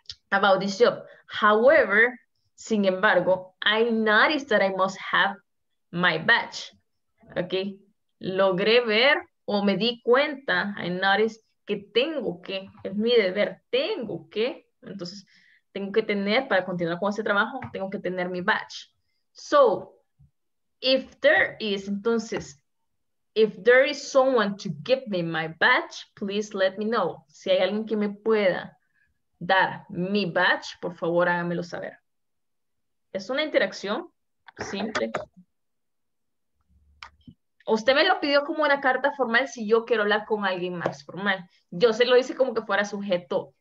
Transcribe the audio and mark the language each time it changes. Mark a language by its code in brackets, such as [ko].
[en] About this job. However, [es] sin embargo, [en] I noticed that I must have my badge. Okay. [es] Logré ver o me di cuenta, [en] I noticed [es] que tengo que, es mi deber, tengo que. Entonces, tengo que tener, para continuar con ese trabajo, tengo que tener mi badge. [en] So, if there is, entonces, if there is someone to give me my badge, please let me know. [es] Si hay alguien que me pueda dar mi badge, por favor, háganmelo saber. Es una interacción simple. Usted me lo pidió como una carta formal si yo quiero hablar con alguien más formal. Yo se lo hice como que fuera sujeto.